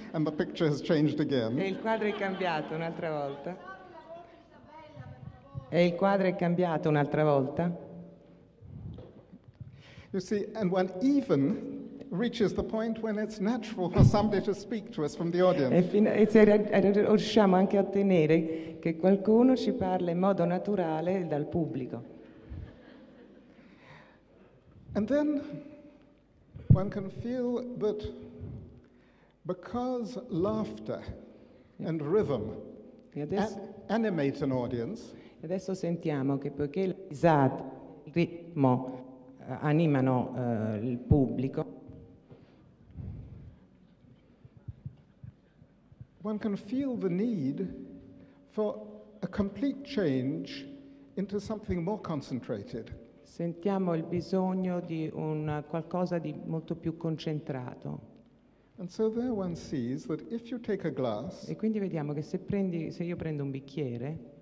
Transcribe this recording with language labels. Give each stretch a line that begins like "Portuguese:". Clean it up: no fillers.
English: And the picture has changed again.
Italian: E il quadro è cambiato un'altra volta. E il quadro è cambiato un'altra volta.
English: You see, and one even reaches the point when it's natural for somebody to speak to us from the audience.
Italian: E riusciamo anche a tenere che qualcuno ci parla in modo naturale dal pubblico.
English: And then one can feel that because laughter and rhythm animate an audience.
Italian: Adesso sentiamo che poiché la risata, il ritmo animano il pubblico.
English: One can feel the need for a complete change into something more concentrated.
Italian: Sentiamo il bisogno di un qualcosa di molto più concentrato.
English: And so there one sees that if you take a glass.
Italian: E quindi vediamo che se io prendo un bicchiere.